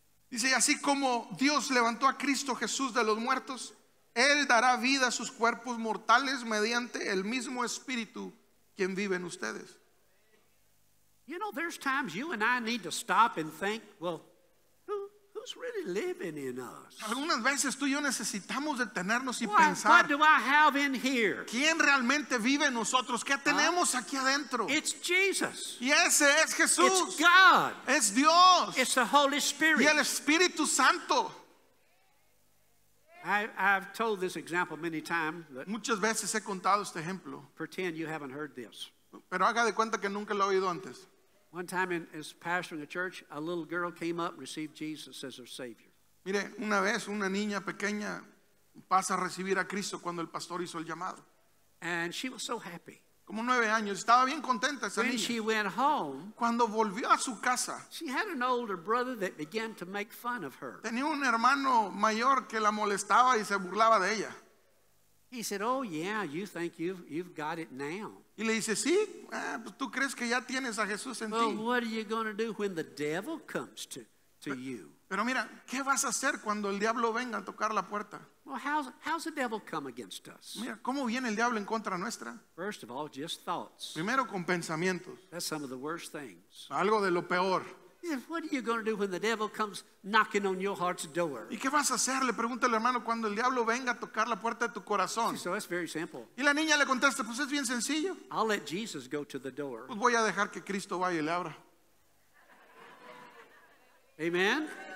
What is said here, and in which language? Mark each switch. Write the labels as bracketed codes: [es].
[es] Dice, así como Dios levantó a Cristo Jesús de los muertos, Él dará vida a sus cuerpos mortales mediante el mismo Espíritu quien vive en ustedes. [en] You know, there's times you and I need to stop and think, well, who's really living in us? [es] Algunas veces tú y yo necesitamos detenernos y pensar. [en] What do I have in here? [es] ¿Quién realmente vive en nosotros? ¿Qué tenemos aquí adentro? [en] It's Jesus. [es] Y ese es Jesús. [en] It's God. [es] Es Dios. [en] It's the Holy Spirit. [es] Y el Espíritu Santo. [en] I've told this example many times. [es] Muchas veces he contado este ejemplo. [en] Pretend you haven't heard this. [es] Pero haga de cuenta que nunca lo he oído antes. [en] One time in as pastoring a church, a little girl came up and received Jesus as her Savior. [es] Mire, una vez una niña pequeña pasa a recibir a Cristo cuando el pastor hizo el llamado. [en] And she was so happy. [es] Como 9 años. Estaba bien contenta esa niña. [en] She went home, [es] cuando volvió a su casa, [en] she had an older brother that began to make fun of her. [es] Tenía un hermano mayor que la molestaba y se burlaba de ella. [en] He said, "Oh yeah, you think you've got it now." [es] Y le dice, sí, pues tú crees que ya tienes a Jesús en ti. [en] Well, what are you going to do when the devil comes to you? [es] Pero mira, ¿qué vas a hacer cuando el diablo venga a tocar la puerta? [en] Well, how's the devil come against us? [es] Mira, ¿cómo viene el diablo en contra nuestra? [en] First of all, just thoughts. [es] Primero con pensamientos. [en] That's some of the worst things. [es] Algo de lo peor. [en] What are you going to do when the devil comes knocking on your heart's door? [es] ¿Y qué vas a hacer? Le pregunta el hermano cuando el diablo venga a tocar la puerta de tu corazón. [en] So it's very simple. [es] Y la niña le contesta, pues es bien sencillo. [en] I'll let Jesus go to the door. [es] Pues voy a dejar que Cristo vaya y le abra. [en] Amen.